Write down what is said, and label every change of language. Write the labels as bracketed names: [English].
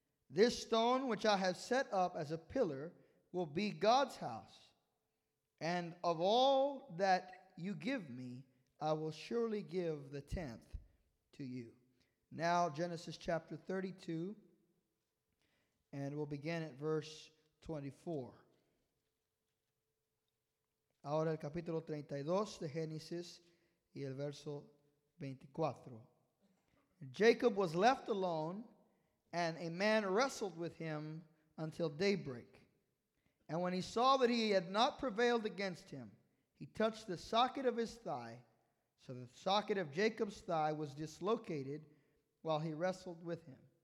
[English] This stone which I have set up as a pillar will be God's house, and of all that you give me, I will surely give the tenth to you. Now Genesis chapter 32, and we'll begin at verse 24. [Spanish] Ahora el capítulo 32 de Génesis y el verso 24. [English] Jacob was left alone, and a man wrestled with him until daybreak. And when he saw that he had not prevailed against him, he touched the socket of his thigh. So the socket of Jacob's thigh was dislocated while he wrestled with him.